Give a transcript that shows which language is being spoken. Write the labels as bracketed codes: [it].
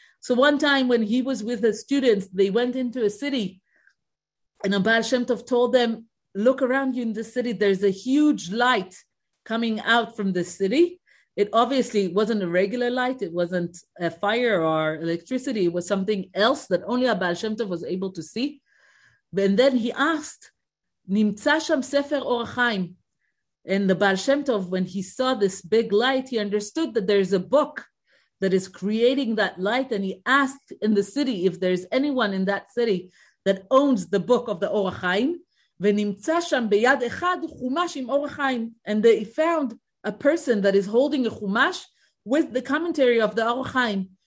[en] So one time when he was with his students, they went into a city and Baal Shem Tov told them, look around you in the city. There's a huge light coming out from the city. It obviously wasn't a regular light. It wasn't a fire or electricity. It was something else that only Baal Shem Tov was able to see. And then he asked, [he] נמצא שם ספר אור החיים. [en] And the Baal Shem Tov, when he saw this big light, he understood that there is a book that is creating that light. And he asked in the city if there's anyone in that city that owns the book of the Orach Chaim. [he] Ve'nimtza sham beyad echad chumash im Orach Chaim. [en] And they found a person that is holding a chumash with the commentary of the Orach Chaim.